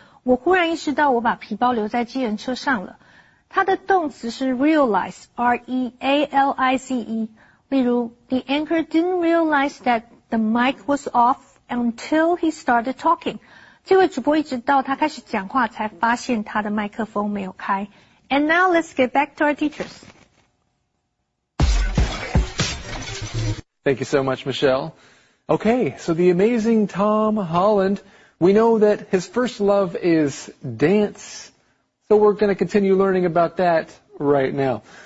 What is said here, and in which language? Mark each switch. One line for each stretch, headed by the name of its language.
Chinese: 我忽然意识到我把皮包留在计程车上了。他的动词是 realize, R-E-A-L-I-C-E.
English: 例如 The anchor didn't realize that the mic was off until he started talking.
Chinese: 这位主播一直到他开始讲话才发现他的麦克风没有开。
English: And now let's get back to our teachers. Thank you so much, Michelle. Okay, so the amazing Tom Holland, we know that his first love is dance. So we're going to continue learning about that right now.